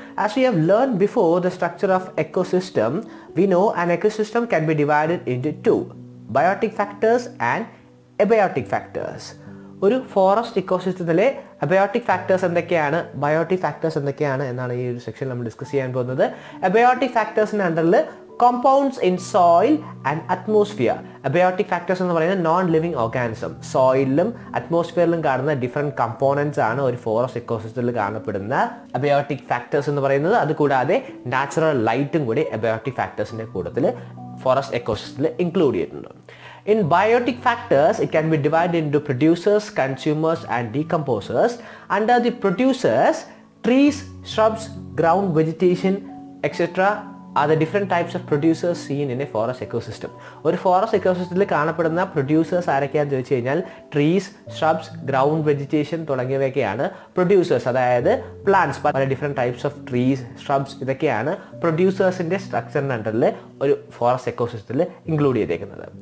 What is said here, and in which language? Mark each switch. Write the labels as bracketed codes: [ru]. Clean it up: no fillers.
[en] As we have learned before, the structure of ecosystem, we know an ecosystem can be divided into two, biotic factors and abiotic factors. [ml] ഒരു forest ഇക്കോസിസ്റ്റത്തിലെ abiotic factors എന്തൊക്കെയാണ്, biotic factors എന്തൊക്കെയാണ് എന്നാണ് ഈ ഒരു section നമ്മൾ discuss ചെയ്യാൻ പോകുന്നത്. Abiotic ഫാക്ടേഴ്സിന് അണ്ടറിൽ compounds in soil and atmosphere. Abiotic factors എന്ന് പറയുന്നത് നോൺ ലിവിങ് ഓർഗാനിസം, സോയിലും അറ്റ്മോസ്ഫിയറിലും കാണുന്ന ഡിഫറെൻറ്റ് കമ്പോണൻസ് ആണ് ഒരു ഫോറസ്റ്റ് ഇക്കോസിസ്റ്റത്തിൽ കാണപ്പെടുന്ന അബയോട്ടിക് ഫാക്ടേഴ്സ് എന്ന് പറയുന്നത്. അതുകൂടാതെ നാച്ചുറൽ ലൈറ്റും കൂടി അബയോട്ടിക് ഫാക്ടേഴ്സിൻ്റെ കൂട്ടത്തിൽ ഫോറസ്റ്റ് ഇക്കോസിസ്റ്റത്തിൽ ഇൻക്ലൂഡ് ചെയ്തിട്ടുണ്ട്. [en] In biotic factors, it can be divided into producers, consumers and decomposers. Under the producers, trees, shrubs, ground vegetation, etc. are the different types of producers seen in a forest ecosystem. [ml] ഒരു forest ഇക്കോസിസ്റ്റത്തിൽ കാണപ്പെടുന്ന producers ആരൊക്കെയാണെന്ന് ചോദിച്ചു കഴിഞ്ഞാൽ trees, shrubs, ground vegetation തുടങ്ങിയവയൊക്കെയാണ് producers. അതായത് plants, പല different types of trees, shrubs ഇതൊക്കെയാണ് പ്രൊഡ്യൂസേഴ്സിൻ്റെ സ്ട്രക്ചറിനണ്ടറിൽ ഒരു forest എക്കോസിസ്റ്റത്തിൽ include ചെയ്തേക്കുന്നത്.